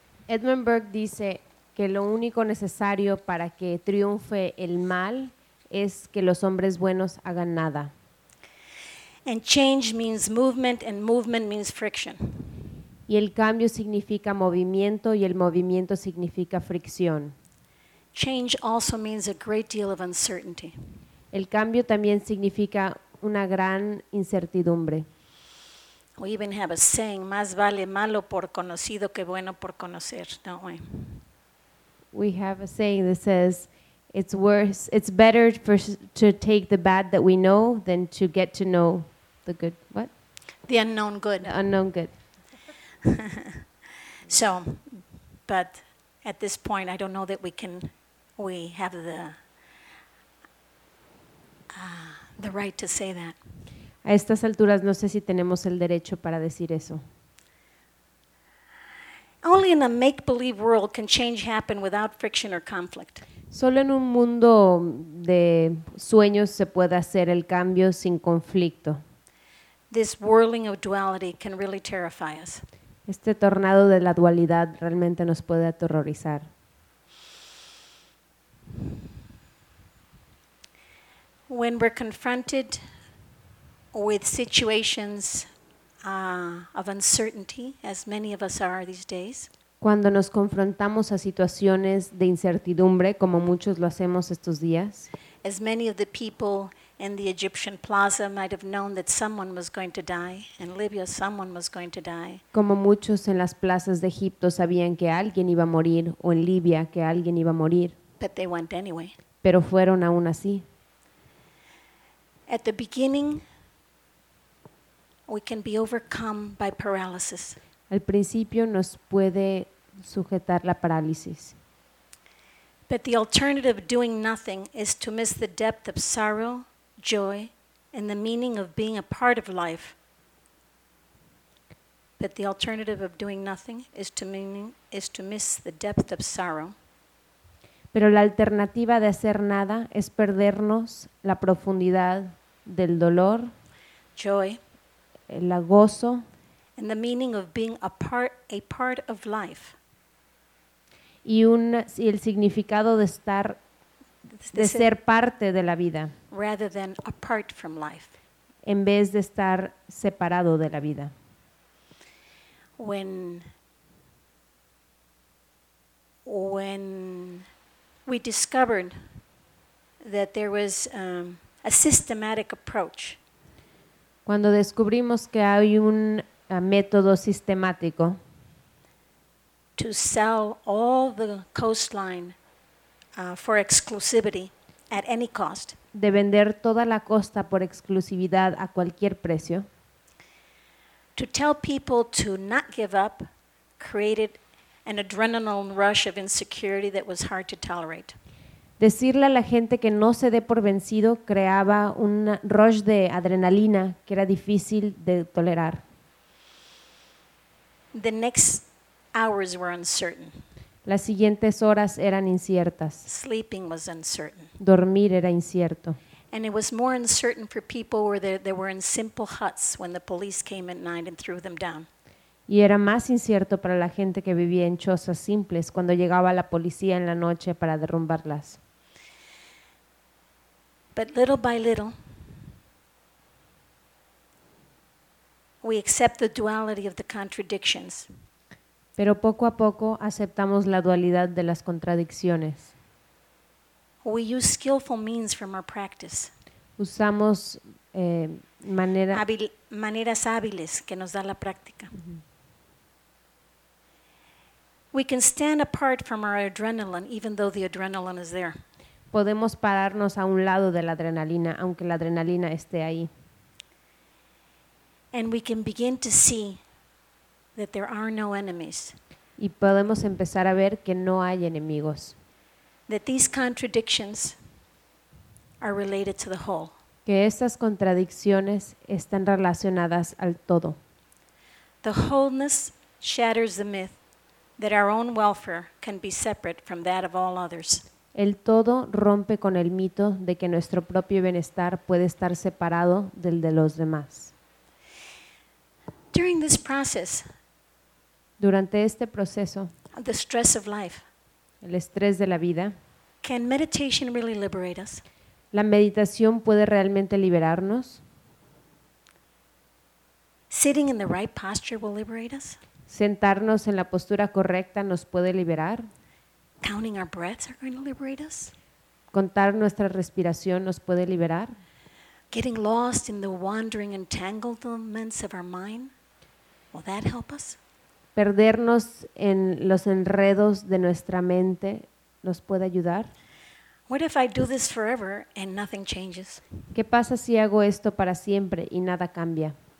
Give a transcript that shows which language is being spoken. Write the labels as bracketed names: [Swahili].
[Spanish] Edmund Burke dice que lo único necesario para que triunfe el mal es que los hombres buenos hagan nada. [English] And change means movement, and movement means friction. [Spanish] Y el cambio significa movimiento y el movimiento significa fricción. [English] Change also means a great deal of uncertainty. [Spanish] El cambio también significa una gran incertidumbre. [English] We even have a saying, [Spanish] más vale malo por conocido que bueno por conocer, [English] don't we? We have a saying that says, it's better for to take the bad that we know than to get to know the good, what? The unknown good. The unknown good. So, but at this point, I don't know that we have the right to say that. [Spanish] A estas alturas no sé si tenemos el derecho para decir eso. [English] Only in a make-believe world can change happen without friction or conflict. [Spanish] Solo en un mundo de sueños se puede hacer el cambio sin conflicto. [English] This whirling of duality can really terrify us. [Spanish] Este tornado de la dualidad realmente nos puede aterrorizar. [English] When we're confronted with situations of uncertainty, as many of us are these days. [Spanish] Cuando nos confrontamos a situaciones de incertidumbre, como muchos lo hacemos estos días. [English] As many of the people in the Egyptian plaza might have known that someone was going to die, in Libya someone was going to die. [Spanish] Como muchos en las plazas de Egipto sabían que alguien iba a morir, o en Libia que alguien iba a morir. [English] But they went anyway. [Spanish] Pero fueron aún así. [English] At the beginning, we can be overcome by paralysis. [Spanish] Al principio nos puede sujetar la parálisis. [English] But the alternative of doing nothing is to miss the depth of sorrow, joy, and the meaning of being a part of life. But the alternative of doing nothing is to miss the depth of sorrow. [Spanish] Pero la alternativa de hacer nada es perdernos la profundidad del dolor. [English] Joy. [Spanish] El gozo, [English] and the meaning of being a part of life. [Spanish] Y el significado de estar, de ser parte de la vida. [English] Rather than apart from life. [Spanish] En vez de estar separado de la vida. [English] When we discovered that there was a systematic approach. [Spanish] Cuando descubrimos que hay un método sistemático [English] to sell all the coastline for exclusivity at any cost, [Spanish] de vender toda la costa por exclusividad a cualquier precio, [English] to tell people to not give up created an adrenaline rush of insecurity that was hard to tolerate. [Spanish] Decirle a la gente que no se dé por vencido creaba un rush de adrenalina que era difícil de tolerar. [English] The next hours were uncertain. [Spanish] Las siguientes horas eran inciertas. [English] Sleeping was uncertain. [Spanish] Dormir era incierto. [English] And it was more uncertain for people where they were in simple huts when the police came at night and threw them down. [Spanish] Y era más incierto para la gente que vivía en chozas simples cuando llegaba la policía en la noche para derrumbarlas. [English] But little by little, we accept the duality of the contradictions. [Spanish] Pero poco a poco aceptamos la dualidad de las contradicciones. [English] We use skillful means from our practice. [Spanish] Usamos maneras hábiles que nos da la práctica. Uh-huh. [English] We can stand apart from our adrenaline, even though the adrenaline is there. [Spanish] Podemos pararnos a un lado de la adrenalina, aunque la adrenalina esté ahí. [English] And we can begin to see that there are no enemies. [Spanish] Y podemos empezar a ver que no hay enemigos. [English] That these contradictions are related to the whole. [Spanish] Que estas contradicciones están relacionadas al todo. [English] The wholeness shatters the myth that our own welfare can be separate from that of all others. [Spanish] El todo rompe con el mito de que nuestro propio bienestar puede estar separado del de los demás. [English] During this process, [Spanish] durante este proceso, [English] the stress of life, [Spanish] el estrés de la vida, [English] can meditation really liberate us? [Spanish] ¿La meditación puede realmente liberarnos? [English] Sitting in the right posture will liberate us? [Spanish] Sentarnos en la postura correcta nos puede liberar. [English] Counting our breaths are going to liberate us. [Spanish] Contar nuestra respiración nos puede liberar. [English] Getting lost in the wandering entanglements of our mind, will that help us? [Spanish] Perdernos en los enredos de nuestra mente nos puede ayudar. [English] What if I do this forever and nothing changes? [Spanish] ¿Qué pasa si hago esto para siempre y nada cambia?